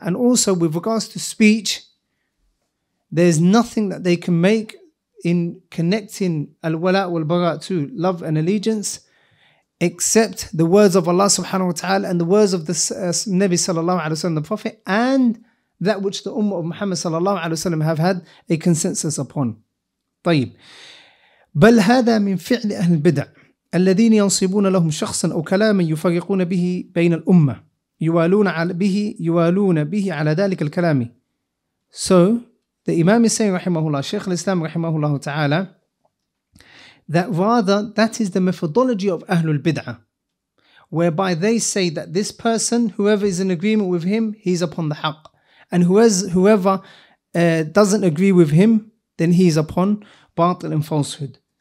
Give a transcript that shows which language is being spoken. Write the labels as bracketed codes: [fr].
[en] And also with regards to speech, there is nothing that they can make in connecting al-wala' wal-bara' to love and allegiance except the words of Allah subhanahu wa ta'ala and the words of the Nabi sallallahu alayhi wa sallam, the Prophet, and that which the Ummah of Muhammad sallallahu alayhi wa sallam have had a consensus upon. [ar] طيب. بل هذا من فعل أهل البدع الذين ينصبون لهم شخصا أو كلاما يفرقون به بين الأمة يوالون به على ذلك الكلام. [en] So the Imam is saying rahimahullah, Shaykh al-Islam rahimahullah ta'ala, that rather that is the methodology of Ahlul Bid'ah, whereby they say that this person, whoever is in agreement with him, he's upon the haqq, and whoever doesn't agree with him, then he's upon batil and falsehood.